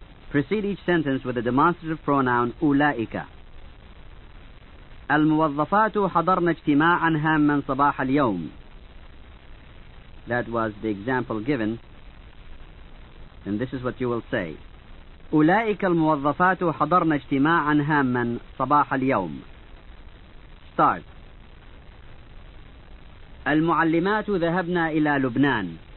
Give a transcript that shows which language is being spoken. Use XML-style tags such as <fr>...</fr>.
<en>Precede each sentence with a demonstrative pronoun أولئك.</en> <ar>الموظفات حضرن اجتماعا هاما صباح اليوم.</ar> <en>That was the example given. And this is what you will say.</en> <ar>أولئك الموظفات حضرن اجتماعا هاما صباح اليوم.</ar> <en>Start.</en> <ar>المعلمات ذهبنا إلى لبنان.</ar>